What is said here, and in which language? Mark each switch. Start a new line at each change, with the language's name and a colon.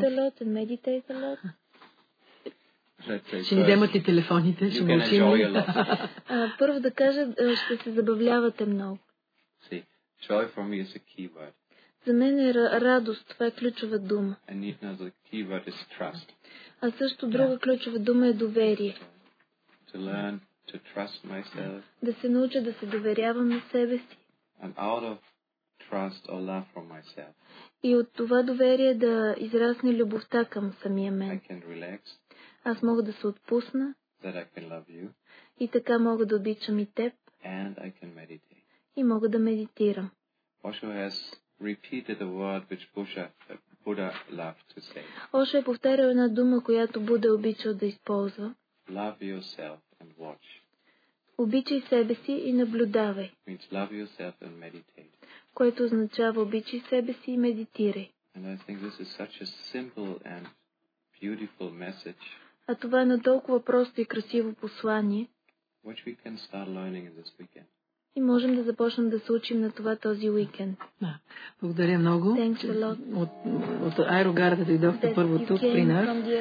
English: Read a lot and meditate a lot?
Bulgarian: Ще ни вземате телефоните, ще мълчим. Първо да кажа, ще се забавлявате много.
English: Joy for me is a key word.
Bulgarian: За мен е радост, това е ключова дума.
English: And even another key word is trust.
Bulgarian: А също друга ключова дума е доверие.
English: To learn to trust myself.
Bulgarian: Да се науча да се доверявам на себе си.
English: And out of trust or love for myself.
Bulgarian: И от това доверие да израсне любовта към самия мен.
English: I can relax.
Bulgarian: Аз мога да се отпусна.
English: That I can love you.
Bulgarian: И така мога да обичам и теб.
English: And I can meditate.
Bulgarian: И мога да медитирам.
English: Osho has repeated a word which Buddha loved to say.
Bulgarian: Osho е повторил една дума, която Буда обичал да използва.
English: Love yourself and watch.
Bulgarian: Обичай себе си и наблюдавай.
English: Means love yourself and meditate.
Bulgarian: Което означава обичай себе си и медитирай.
English: And I think this is such a simple and beautiful message.
Bulgarian: А това е на толкова просто и красиво послание.
English: Which we can start learning in this weekend.
Bulgarian: И можем да започнем да се учим на това този уикенд. Да. Благодаря много.
English: Thanks a lot.
Bulgarian: От аерогарата дойдохте първо тук при нас.